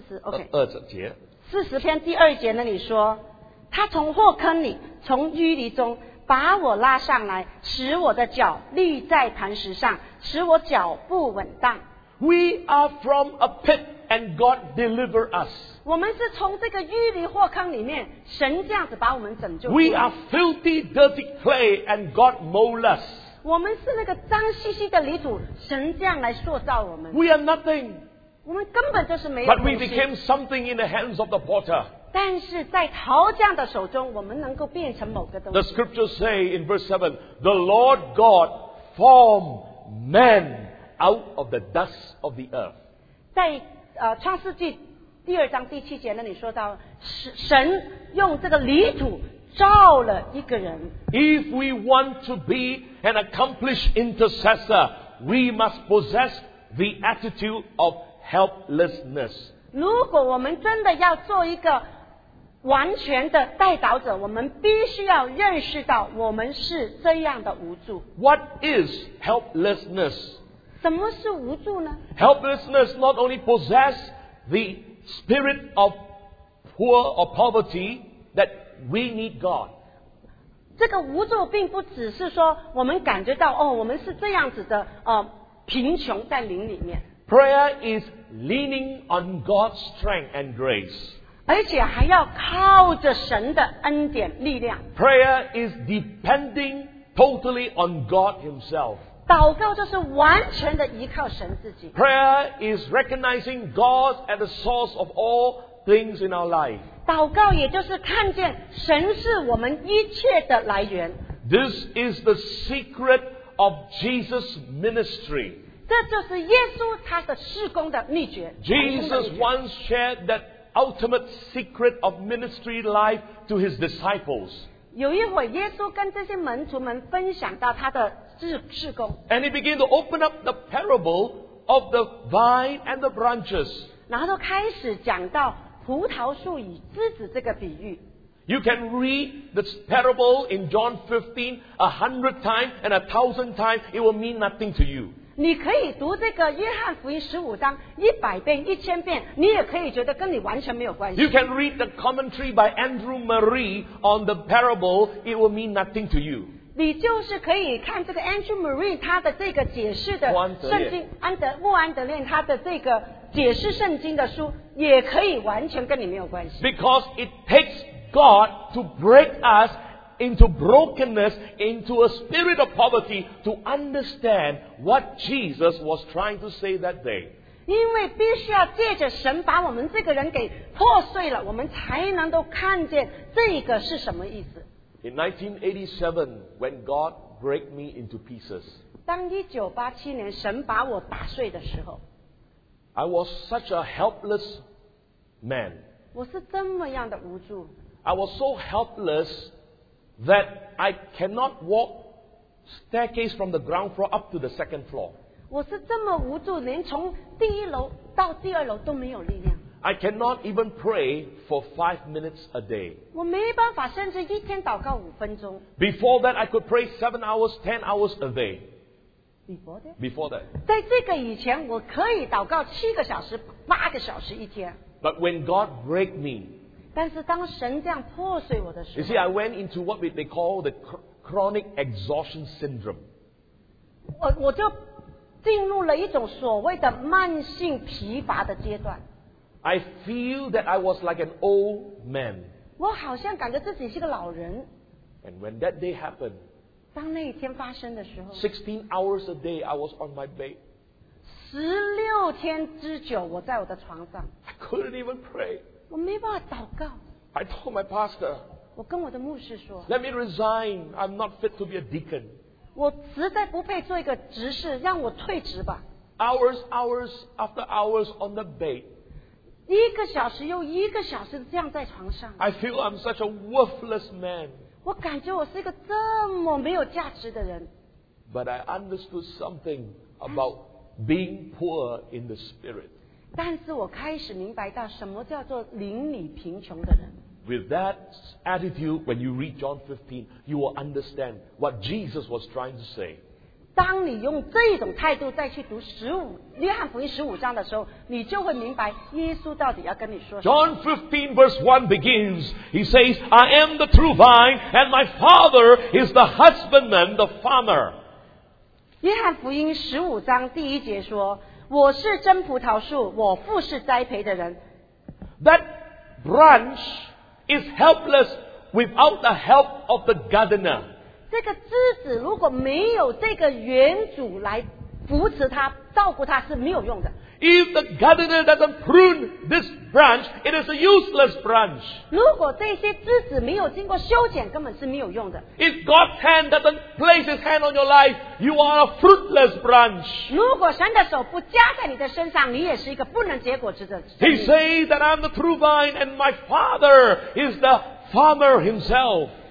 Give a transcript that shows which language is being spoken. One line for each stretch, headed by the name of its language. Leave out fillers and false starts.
Chinese: 40篇第2节那里说, 他从祸坑里, 从淤泥中, 把我拉上来, 使我的脚立在磐石上, 使我脚不稳当。
English: We are from a pit and God delivered us.
Chinese: 我们是从这个淤泥祸坑里面, 神这样子把我们拯救。
English: We are filthy, dirty clay and God mold us.
Chinese: 我们是那个脏兮兮的泥土, 神这样来塑造我们。
English: We are nothing.
Chinese: 我们根本就是没有东西。
English: But we became something in the hands of the potter.
Chinese: 但是在陶匠的手中, 我们能够变成某个东西。
English: The scriptures say in verse 7, The Lord God formed man out of the dust of the earth.
Chinese: 在创世纪第二章第七节那里说到，神用这个泥土造了一个人。
English: If we want to be an accomplished intercessor, we must possess the attitude of helplessness.
Chinese: 如果我们真的要做一个完全的代祷者，我们必须要认识到我们是这样的无助。
English: What is helplessness?
Chinese: 什么是无助呢？
English: Helplessness not only possess the spirit of poor or poverty that we need God.
Chinese: 这个无助并不只是说我们感觉到哦，我们是这样子的贫穷在灵里面。
English: Prayer is leaning on God's strength and grace.
Chinese: 而且还要靠着神的恩典力量。
English: Prayer is depending totally on God Himself.
Chinese: 祷告就是完全的依靠神自己。
English: Prayer is recognizing God at the source of all things in our life.
Chinese: 祷告也就是看见神是我们一切的来源。
English: This is the secret of Jesus' ministry.
Chinese: 这就是耶稣他的事工的秘诀。
English: Jesus once shared that ultimate secret of ministry life to his disciples.
Chinese: 有一会耶稣跟这些门徒们分享到他的事工。
English: And he began to open up the parable of the vine and the branches.
Chinese: 然后就开始讲到葡萄树与枝子这个比喻。
English: You can read the parable in John 15 100 times and 1,000 times, it will mean nothing to you.
Chinese: 你可以读这个约翰福音十五章100遍、1000遍，你也可以觉得跟你完全没有关系。
English: You can read the commentary by Andrew Murray on the parable; it will mean nothing to you.
Chinese: 你就是可以看这个 Andrew Murray 他的这个解释的圣经，穆安德烈他的这个解释圣经的书，也可以完全跟你没有关系。
English: Because it takes God to break us. Into brokenness, into a spirit of poverty, to understand what Jesus was trying to say that day.
Chinese: 因为必须要借着神把我们这个人给破碎了，我们才能够看见这个是什么意思。
English: In 1987, when God break me into pieces,
Chinese: 当1987年神把我打碎的时候，
English: I was such a helpless man.
Chinese: 我是这么样的无助。
English: I was so helpless. That I cannot walk staircase from the ground floor up to the second floor.
Chinese: 我是这么无助，连从第一楼到第二楼都没有力量。
English: I cannot even pray for 5 minutes a day.
Chinese: 我没办法，甚至一天祷告五分钟。
English: Before that, I could pray 7 hours, 10 hours a day. Before that.
Chinese: 在这个以前，我可以祷告7个小时、8个小时一天。
English: But when God break me.
Chinese: 但是当神这样破碎我的时候
English: You see, I went into what they call the chronic exhaustion syndrome.
Chinese: 我就进入了一种所谓的慢性疲乏的阶段。
English: I feel that I was like an old man.
Chinese: 我好像感觉自己是个老人。
English: And when that day happened,
Chinese: 当那一天发生的时候
English: 16 hours a day, I was on my bed.
Chinese: 16天之久我在我的床上。
English: I couldn't even pray.
Chinese: 我没办法祷告。
English: I told my pastor,
Chinese: 我跟我的牧师说
English: Let me resign, I'm not fit to be a deacon.
Chinese: 我实在不配做一个执事，让我退职吧。
English: Hours after hours on the bed.
Chinese: 一个小时又一个小时这样在床上。
English: I feel I'm such a worthless man.
Chinese: 我感觉我是一个这么没有价值的人。
English: But I understood something about being poor in the spirit.
Chinese: 但是我开始明白到什么叫做邻里贫穷的人。
English: With that attitude, when you read John 15, you will understand what Jesus was trying to say.
Chinese: 当你用这种态度再去读约翰福音十五章的时候，你就会明白耶稣到底要跟你说什么。
English: John 15 verse 1 begins. He says, "I am the true vine, and my Father is the husbandman, the farmer."
Chinese: 约翰福音十五章第一节说。我是真葡萄树，我父是栽培的人。
English: That branch is helpless without the help of the gardener.
Chinese: 这个枝子如果没有这个园主来扶持它、照顾它是没有用的。
English: If the gardener doesn't prune this branch, it is a useless branch. If God's hand doesn't place His hand on your life, you are a fruitless branch. He says that I'm the true vine and my Father is the farmer Himself.